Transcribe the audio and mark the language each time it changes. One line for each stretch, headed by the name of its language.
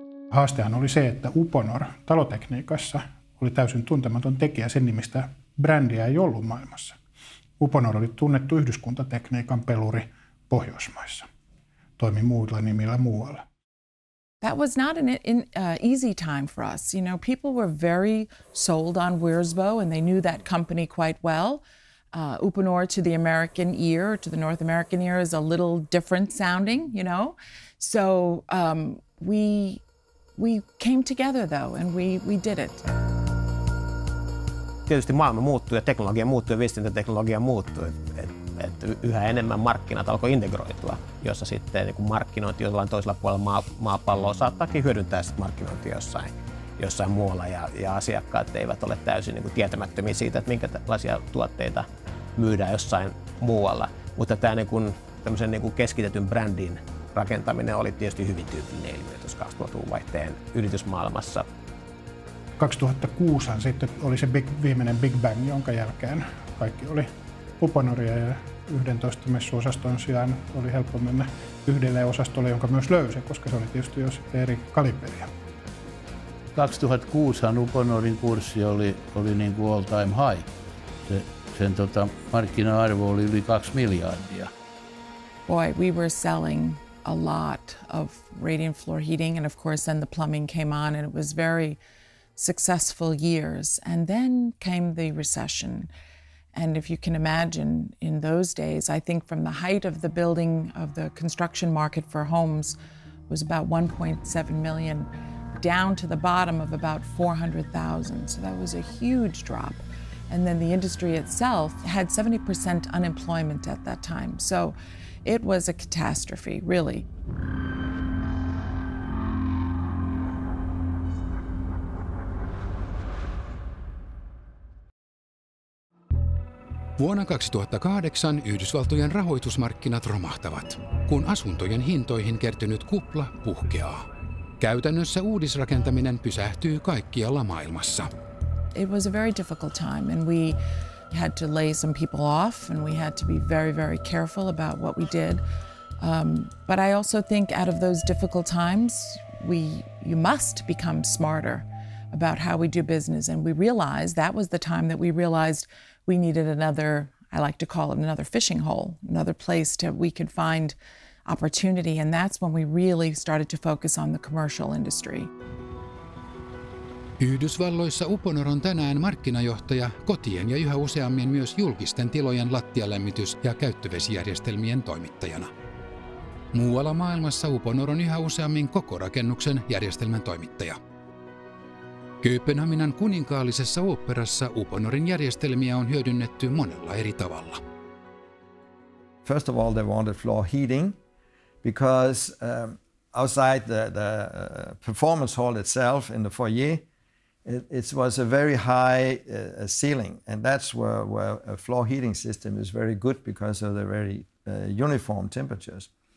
Finnish: Haastehan oli se, että Uponor talotekniikassa oli täysin tuntematon tekijä, sen nimistä brändiä ei ollut maailmassa. Uponor oli tunnettu yhdyskuntatekniikan peluri Pohjoismaissa. Toimi muilla nimillä muualla.
English: That was not an easy time for us. You know, people were very sold on Wirsbo and they knew that company quite well. Uponor to the American ear, to the North American ear is a little different sounding, you know. So, we came together though and we did it.
Finnish: Tietysti maailma muuttui ja teknologia muuttui ja viestintäteknologia muuttui, et yhä enemmän markkinat alkoi integroitua, jossa sitten niin kun markkinointi jollain toisella puolella maapalloa saattaakin hyödyntää sitten markkinointia jossain muualla ja asiakkaat eivät ole täysin niin kun tietämättömiä siitä, että minkälaisia tuotteita myydään jossain muualla. Mutta tämä niin kun, tämmösen niin kun keskitetyn brändin rakentaminen oli tietysti hyvin tyypillinen ilmiö tuossa 2000-luvun vaihteen yritysmaailmassa. 2006 sitten oli se viimeinen Big Bang, jonka jälkeen kaikki oli Uponoria ja 11 messuosaston sijaan oli helppo mennä yhdelle osastolle, jonka myös löysi, koska se oli tietysti jo eri kaliberia. 2006 Uponorin kurssi oli niin kuin
English: all time high.
Finnish: Sen markkina-arvo oli yli 2 miljardia.
English: Boy, we were selling a lot of radiant floor heating and of course then the plumbing came on and it was very successful years, and then came the recession. And if you can imagine, in those days, I think from the height of the building of the construction market for homes was about 1.7 million down to the bottom of about 400,000. So that was a huge drop. And then the industry itself had 70% unemployment at that time. So it was a catastrophe, really.
Finnish: Vuonna 2008 Yhdysvaltojen rahoitusmarkkinat romahtavat, kun asuntojen hintoihin kertynyt kupla puhkeaa. Käytännössä uudisrakentaminen pysähtyy kaikkialla maailmassa.
English: It was a very difficult time and we had to lay some people off and we had to be very, very careful about what we did. But I also think out of those difficult times, you must become smarter about how we do business. And we realized that was the time that we realized we needed another, I like to call it another fishing hole, another place to we could find opportunity. And that's when we really started to focus on the commercial industry.
Finnish: Yhdysvalloissa Uponor on tänään markkinajohtaja kotien ja yhä useammin myös julkisten tilojen lattialämmitys- ja käyttövesijärjestelmien toimittajana. Muualla maailmassa Uponor on yhä useammin koko rakennuksen järjestelmän toimittaja. Kööpenhaminan kuninkaallisessa oopperassa Uponorin järjestelmiä on hyödynnetty monella eri tavalla.
English: First of all, they wanted floor heating because outside the performance hall itself in the foyer, it was a very high ceiling, and that's where a floor heating system is very good because of the very uniform temperatures.